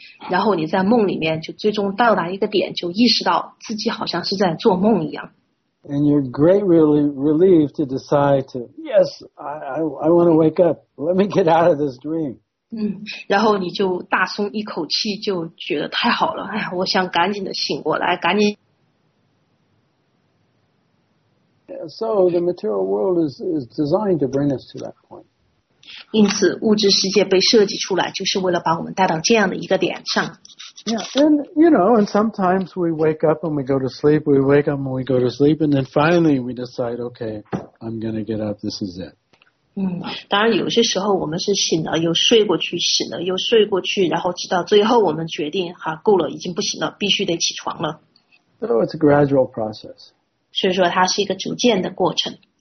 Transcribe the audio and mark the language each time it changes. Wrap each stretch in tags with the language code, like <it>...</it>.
<zh>然后你在梦里面就最终到达一个点，就意识到自己好像是在做梦一样。</zh> <en>And you're greatly relieved to decide to, yes, I want to wake up. Let me get out of this dream.</en> <zh>然后你就大松一口气，就觉得太好了，哎，我想赶紧的醒过来，赶紧。</zh> <en>So the material world is designed to bring us to that point.</en> <zh>因此物质世界被设计出来就是为了把我们带到这样的一个点上。</zh> <en>Yeah, and you know, and sometimes we wake up and we go to sleep, we wake up and we go to sleep, and then finally we decide, okay, I'm going to get up, this is it.</en> <zh>当然有些时候我们是醒了又睡过去，醒了又睡过去，然后直到最后我们决定，哈，够了，已经不行了，必须得起床了。</zh> <en>So it's a gradual process.</en> <zh>所以说它是一个逐渐的过程。</zh>